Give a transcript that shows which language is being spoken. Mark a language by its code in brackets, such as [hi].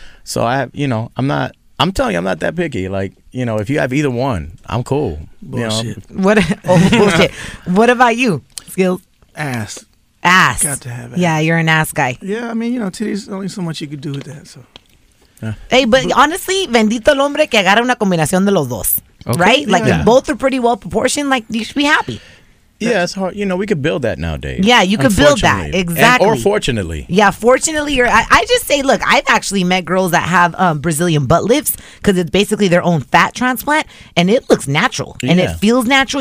[en] So I'm telling you, I'm not that picky. Like, you know, if you have either one, I'm cool. Bullshit. You know? Bullshit. What about you, Skills? Ass. Ass. Got to have ass. Yeah, you're an ass guy. Yeah, I mean, you know, titties, only so much you could do with that, so. Yeah. [es] Hey, but honestly, bendito el hombre que agarra una combinación de los dos. [en] Okay. Right? Like, yeah. Both are pretty well proportioned. Like, you should be happy. Yeah, it's hard. You know, we could build that nowadays. Yeah, you could build that. Exactly. Or fortunately. Yeah, fortunately. I just say, look, I've actually met girls that have Brazilian butt lifts because it's basically their own fat transplant, and it looks natural. And it feels natural.